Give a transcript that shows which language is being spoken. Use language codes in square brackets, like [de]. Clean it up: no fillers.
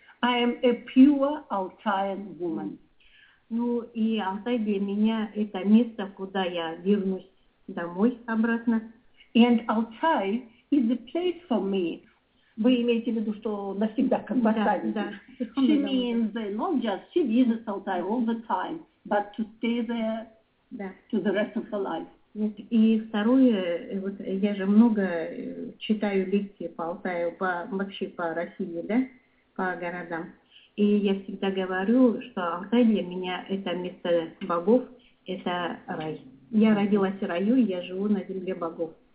[en] I am a pure Altaian woman. [ru] Ну и Алтай для меня это место, куда я вернусь домой обратно. [en] And Altai is the place for me. [ru] Вы имеете в виду, что навсегда как бы оставить? Да, да. [en] She means not just she visits Altai all the time, but to stay there to the rest of her life. [ru] Вот. И второе, вот я же много читаю лекции по Алтаю, по вообще по России, да, по городам. И я всегда говорю, что Алтай для меня это место богов, это рай. Я родилась в раю, я живу на земле богов.